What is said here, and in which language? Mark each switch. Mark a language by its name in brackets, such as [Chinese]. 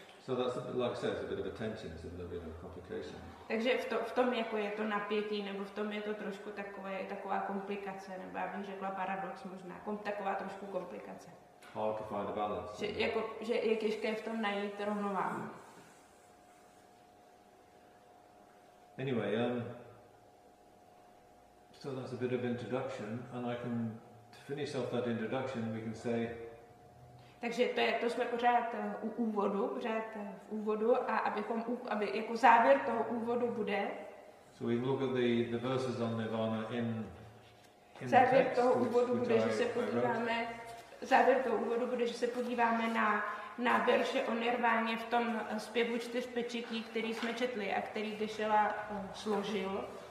[English] So that's a bit, like I said, a bit of a tension, it's a little bit of a complication. [Czech] Takže v tom jako je to napětí, nebo v tom je to trošku taková komplikace, nebo já bych řekla paradox možná, taková trošku komplikace. [English] Hard to find a balance. [Czech] Že je těžké v tom najít rovnováhu. [English] Anyway, So that's a bit of introduction, and I can to finish off that introduction. We can say. [Czech] Takže to je, to jsme pořád u úvodu, pořád v úvodu, a abychom, aby jako závěr toho úvodu bude. [English] So we look at the verses on Nirvana in the text. [Czech] Závěr toho úvodu bude, že se podíváme. Závěr toho úvodu bude, že se podíváme na verše o Nirváně v tom zpěvu čtyř pečetí, který jsme četli a který Geshe-la složil.